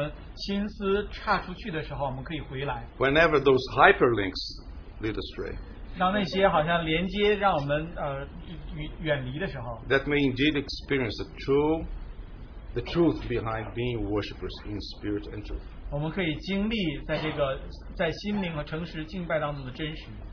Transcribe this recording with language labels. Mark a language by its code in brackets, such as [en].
[zh] 借着圣灵，我们可以每一次当我们心思岔出去的时候，我们可以回来。 [en] Whenever those hyperlinks lead astray. [zh] 当那些好像连接让我们远离的时候。 [en] That may indeed experience the truth behind being worshippers in spirit and truth. [zh] 我们可以经历在心灵和诚实敬拜当中的真实。